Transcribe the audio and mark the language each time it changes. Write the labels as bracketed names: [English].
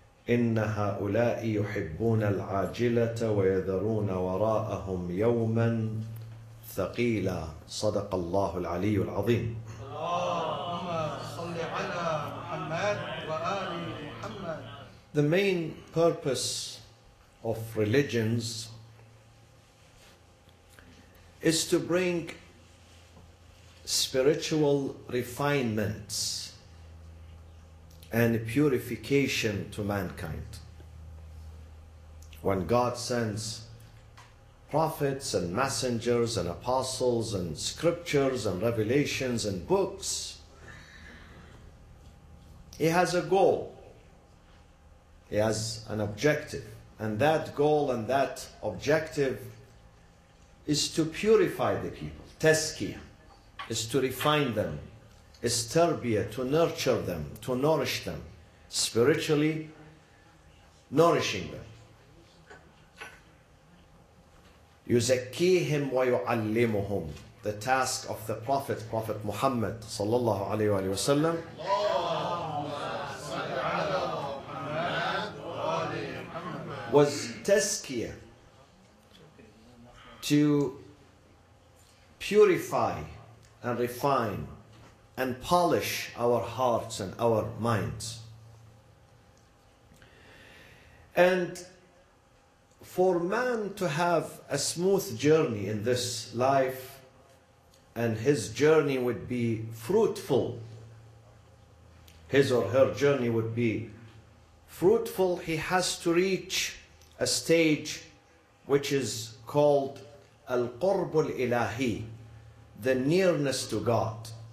[Arabic] إن هؤلاء يحبون العاجلة ويذرون وراءهم يوما ثقيلا. صدق الله العلي العظيم. اللهم صل على محمد وآل محمد. [English] The main purpose of religions is to bring spiritual refinements and purification to mankind. When God sends prophets and messengers and apostles and scriptures and revelations and books, He has a goal. He has an objective. And that goal and that objective is to purify the people. Tazkiyah is to refine them. Is tarbiyah, to nurture them, to nourish them, spiritually nourishing them. [Arabic] يُزَكِّيهِمْ وَيُعَلِّمُهُمْ. [English] The task of the Prophet, Prophet Muhammad [Arabic] صلى الله عليه وآله وسلم. اللهم صل على محمد وآل محمد. [English] Was tazkiyah, to purify and refine and polish our hearts and our minds. And for man to have a smooth journey in this life, and his journey would be fruitful, his or her journey would be fruitful, he has to reach a stage which is called al-qurb al-ilahi, the nearness to God.